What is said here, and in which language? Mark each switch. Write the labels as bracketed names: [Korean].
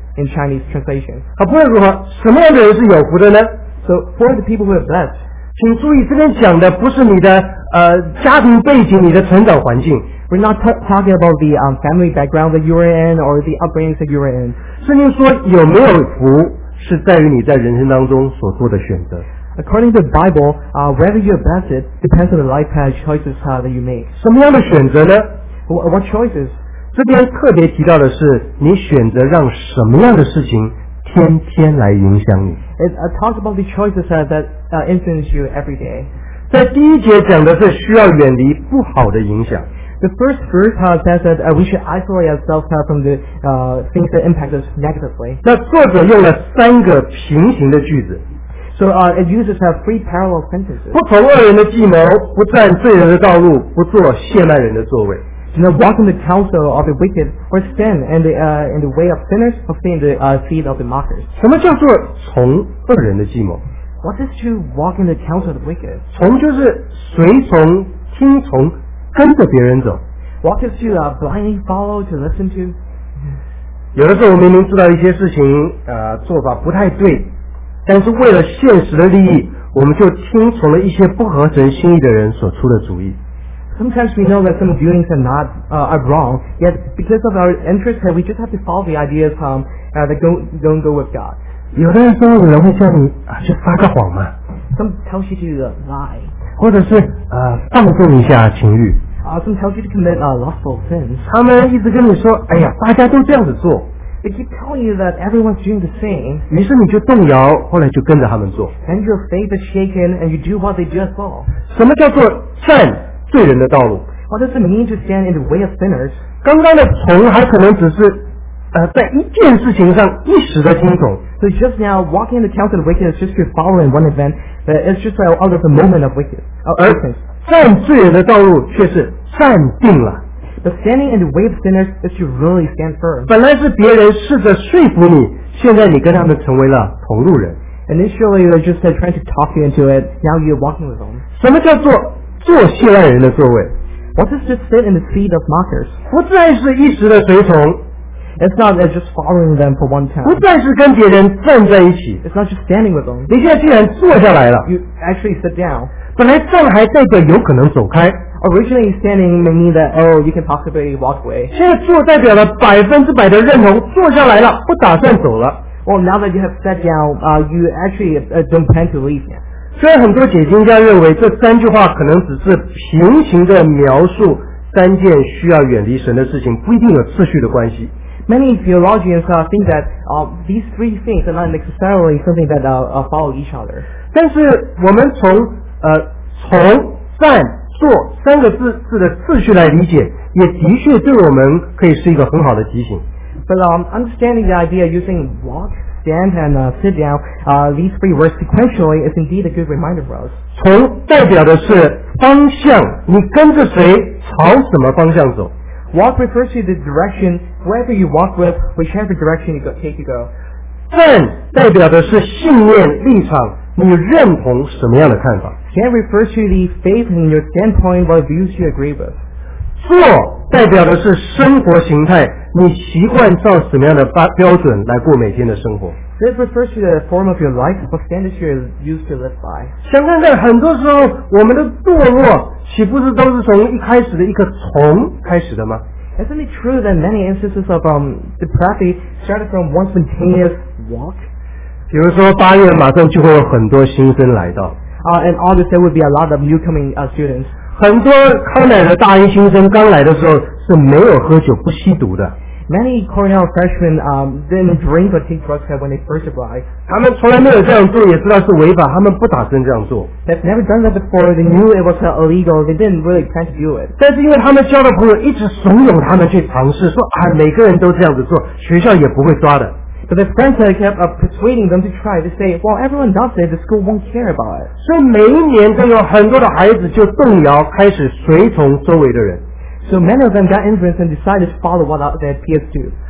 [English] In Chinese translation. [Chinese] 好，不论如何，什么样的人是有福的呢？ [English] So, who are the people who are blessed? [Chinese] 请注意，这边讲的不是你的家庭背景，你的成长环境。 [English] We're not talking about the family background that you are in or the upbringing that you are in. [Chinese] 圣经说有没有福是在于你在人生当中所做的选择。 [English] According to the Bible, whether you are blessed depends on the life path choices that you make. [Chinese] 什么样的选择呢？ [English] What choices? [Chinese] 这边特别提到的是，你选择让什么样的事情天天来影响你。 [English] It talks about the choices that influence you every day. [Chinese] 在第一节讲的是需要远离不好的影响。 [English] The first verse says that we should isolate ourselves from the things that impact us negatively. [Chinese] 那作者用了三个平行的句子。 [English] So it uses three parallel sentences. [Chinese] 不从恶人的计谋，不占罪人的道路，不坐亵慢人的座位。 [English] you know, walk in the counsel of the wicked, or stand in the way of sinners, or stay in the seat of the mockers. [Chinese] 什么叫做从恶人的计谋？ [English] What is to walk in the counsel of the wicked? [Chinese] 从就是随从、听从、跟着别人走。 [English] What is to blindly follow, to listen to? [Chinese] 有的时候我明明知道一些事情做法不太对，但是为了现实的利益，我们就听从了一些不合神心意的人所出的主意。 [English] Sometimes we know that some doings are not are wrong, yet because of our interest, we just have to follow the ideas that don't go with God. [Chinese] 有的时候人会叫你去撒个谎嘛。 [English] Some tells you to lie. [Chinese] 或者是放纵一下情欲。 [English] Some tells you to commit lustful sins. [Chinese] 他们一直跟你说，哎呀，大家都这样子做。 [English] They keep telling you that everyone's doing the same. [Chinese] 于是你就动摇，后来就跟着他们做。 [English] And your faith is shaken, and you do what they do as well. [Chinese] 什么叫做善罪人的道路？ [English] What does it mean to stand in the way of sinners? [Chinese] 刚刚的从还可能只是在一件事情上一时的听从。 [English] So just now, walking in the counsel of the wicked is just to follow in one event, but it's just out of the moment of wicked. [Chinese] 而善罪人的道路却是善定了。 [English] But standing in the way of sinners is to really stand firm. [Chinese] 本来是别人试着说服你，现在你跟他们成为了同路人。 [English] Initially, they're just trying to talk you into it. Now you're walking with them. [Chinese] 什么叫做坐戏赖人的座位？ [English] What is to sit in the seat of mockers? [Chinese] 不再是一时的随从。 [English] It's not just following them for one time. [Chinese] 不再是跟别人站在一起。 [English] It's not just standing with them. [Chinese] 你现在既然坐下来了。 [English] You actually sit down. [Chinese] 本来站还代表有可能走开。 [English] Originally standing may mean that you can possibly walk away. [Chinese] 现在坐代表了百分之百的认同，坐下来了，不打算走了。 [English] Well, now that you have sat down, you actually don't plan to leave yet. [Chinese] 虽然很多解经家认为这三句话可能只是平行的描述三件需要远离神的事情，不一定有次序的关系。 [English] Many theologians think that these three things are not necessarily something that follow each other. [Chinese] 但是我们从从善做三个字的次序来理解，也的确对我们可以是一个很好的提醒。 [English] But understanding the idea using walk, stand, and sit down, these three words sequentially is indeed a good reminder for us. [Chinese] 从代表的是方向，你跟着谁朝什么方向走。 [English] Walk refers to the direction wherever you walk with, whichever direction you take you go. [Chinese] 站代表的是信念立场，你认同什么样的看法？ [English] Stand refers to the faith in your standpoint, what views you agree with. [Chinese] 坐代表的是生活形态，你习惯照什么样的标准来过每天的生活？ [English] This refers to the form of your life, what standards you use to live by. [Chinese] 想看看，很多时候我们的堕落岂不是都是从一开始的一个从开始的吗？ [English] Isn't it true that many instances of depravity started from one spontaneous walk? [Chinese] 比如说八月马上就会有很多新生来到。 [English] In August there will be a lot of new coming students. [Chinese] 很多康乃的大一新生刚来的时候是没有喝酒不吸毒的。 [English] Many Cornell freshmen didn't drink or take drugs when they first arrived. [Chinese] 他们从来没有这样做，也知道是违法，他们不打算这样做。 [English] They've never done that before. They knew it was illegal. They didn't really plan to do it. [Chinese] 但是因为他们交的朋友一直怂恿他们去尝试，说每个人都这样子做，学校也不会抓的。 [English] But the friends kept persuading them to try to say, well, everyone does it, the school won't care about it. [Chinese] 所以每一年都有很多的孩子就动摇，开始随从周围的人。 [English] So many of them got influenced and decided to follow what their peers do.